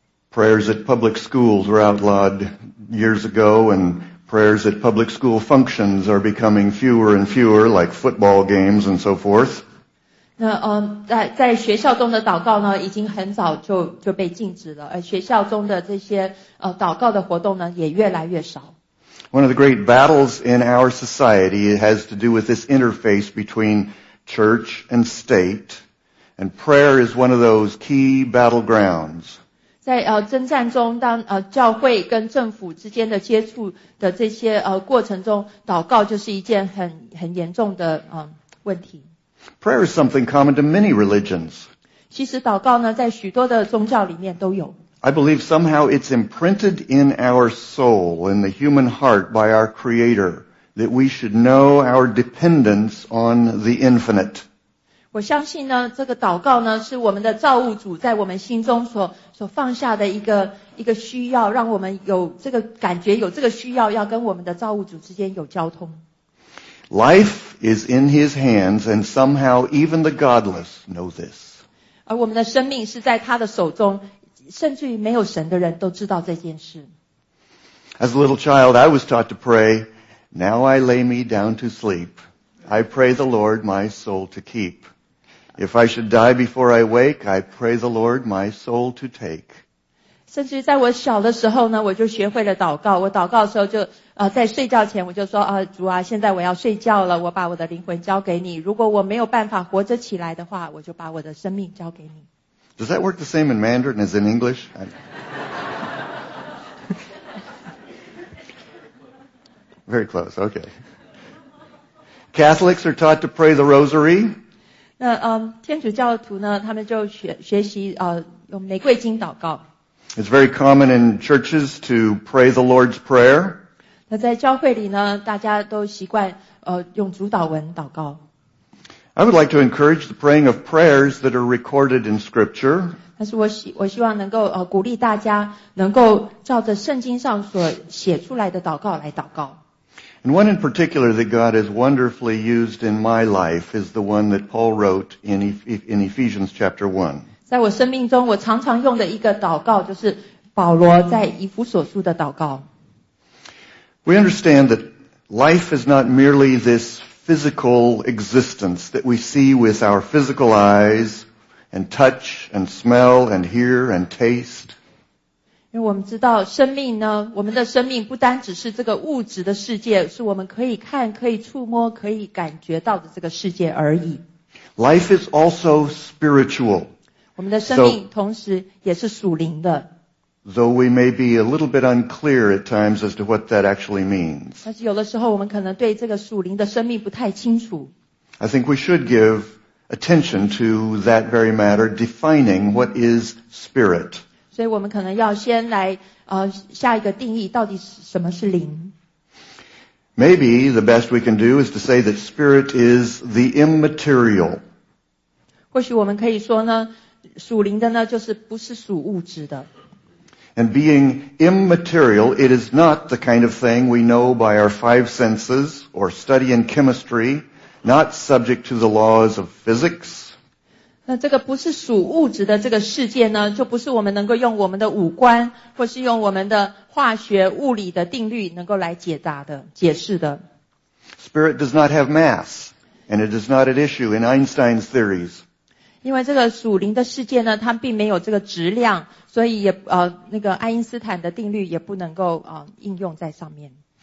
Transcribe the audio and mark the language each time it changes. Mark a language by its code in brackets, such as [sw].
[en] Prayers at public schools were outlawed years ago, and prayers at public school functions are becoming fewer and fewer, like football games and so forth. [zh] 那在学校中的祷告呢，已经很早就被禁止了，而学校中的这些祷告的活动呢，也越来越少。 [en] One of the great battles in our society has to do with this interface between church and state, and prayer is one of those key battlegrounds. [zh] 在征战中，当教会跟政府之间的接触的这些过程中，祷告就是一件很严重的问题。 [en] Prayer is something common to many religions. [zh] 其实祷告呢，在许多的宗教里面都有。 [en] I believe somehow it's imprinted in our soul, in the human heart, by our Creator, that we should know our dependence on the infinite. [zh] 我相信呢，这个祷告呢，是我们的造物主在我们心中所放下的一个需要，让我们有这个感觉，有这个需要，要跟我们的造物主之间有交通。 [en] Life is in His hands, and somehow even the godless know this. [zh] 而我们的生命是在他的手中，甚至于没有神的人都知道这件事。 [en] As a little child, I was taught to pray, "Now I lay me down to sleep. I pray the Lord my soul to keep. If I should die before I wake, I pray the Lord my soul to take." [zh] 甚至于在我小的时候呢，我就学会了祷告。我祷告的时候就在睡觉前我就说主啊，现在我要睡觉了，我把我的灵魂交给你。如果我没有办法活着起来的话，我就把我的生命交给你。 [en] Does that work the same in Mandarin as in English? Very close, okay. Catholics are taught to pray the rosary. [zh] 那天主教徒呢，他们就学习用玫瑰金祷告。 [en] It's very common in churches to pray the Lord's Prayer. [zh] 那在教会里呢，大家都习惯用主祷文祷告。 [en] I would like to encourage the praying of prayers that are recorded in Scripture. [zh] 但是我希望能够鼓励大家能够照着圣经上所写出来的祷告来祷告。 [en] And one in particular that God has wonderfully used in my life is the one that Paul wrote in Ephesians chapter 1. [zh] 在我生命中我常常用的一个祷告就是保罗在以弗所书的祷告。 [en] We understand that life is not merely this physical existence that we see with our physical eyes and touch and smell and hear and taste. [zh] 因为我们知道生命呢，我们的生命不单只是这个物质的世界，是我们可以看、可以触摸、可以感觉到的这个世界而已。 [en] Life is also spiritual. [zh] 我们的生命同时也是属灵的。 [en] Though we may be a little bit unclear at times as to what that actually means. [zh] 但是有的时候我们可能对这个属灵的生命不太清楚。 [en] I think we should give attention to that very matter, defining what is spirit. [zh] 所以我们可能要先来下一个定义，到底什么是灵。 [en] Maybe the best we can do is to say that spirit is the immaterial. [zh] 或许我们可以说呢，属灵的呢，就是不是属物质的。 [en] And being immaterial, it is not the kind of thing we know by our five senses or study in chemistry, not subject to the laws of physics. [zh] 那这个不是属物质的这个世界呢，就不是我们能够用我们的五官或是用我们的化学物理的定律能够来解答的、解释的。 [en] Spirit does not have mass, and it is not at issue in Einstein's theories. [zh] 因为这个属灵的世界呢，它并没有这个质量，所以也那个爱因斯坦的定律也不能够应用在上面。